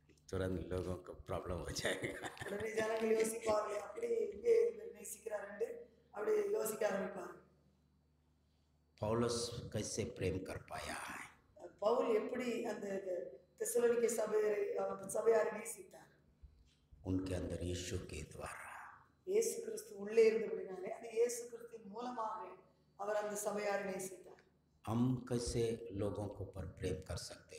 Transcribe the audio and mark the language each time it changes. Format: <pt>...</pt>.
<hi>तुरंत लोगों को प्रॉब्लम हो जाएगा। पौलुस कैसे प्रेम कर पाया है?</hi> <ta>पौल एपड़ी அந்த தெசலோனிகே சபையை சபையார் நேசித்தார்?</ta> <hi>उनके अंदर यीशु के द्वारा,</hi> <ta>இயேசு கிறிஸ்து உள்ளே இருந்தபடியாலே, அந்த இயேசு கிறிஸ்துவின் மூலமாக அவர் அந்த சபையார் நேசித்தார்.</ta> <hi>हम कैसे लोगों को पर प्रेम कर सकते</hi>